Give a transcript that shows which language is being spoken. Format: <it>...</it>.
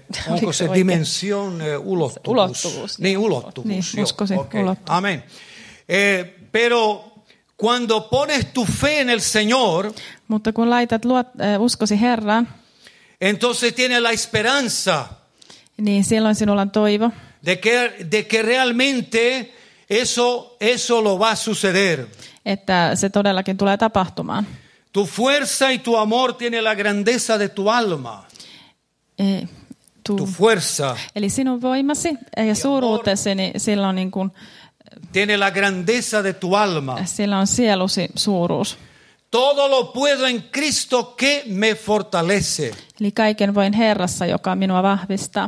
<fi>Onko se dimension ulottuvuus? Niin, ulottuvuus. Niin, uskosi ulottuvuus. Amen.</fi> <es>Pero cuando pones tu fe en el Señor,</es> <fi>mutta kun laitat uskosi Herran,</fi> <es>entonces tiene la esperanza.</es> <fi>Niin silloin sinulla on toivo.</fi> <es>De que realmente eso lo va a suceder.</es> <fi>Että se todellakin tulee tapahtumaan.</fi> <es>Tu fuerza y tu amor tiene la grandeza de tu alma. Tu fuerza.</es> <fi>Eli sinun voimasi ja suuruutesi, niin sillä on niin kuin,</fi> <es>tiene la grandeza de tu alma.</es> <fi>Sillä on sielusi suuruus.</fi> <es>Todo lo puedo en Cristo que me fortalece.</es> <fi>Eli kaiken voin Herrassa, joka minua vahvistaa.</fi>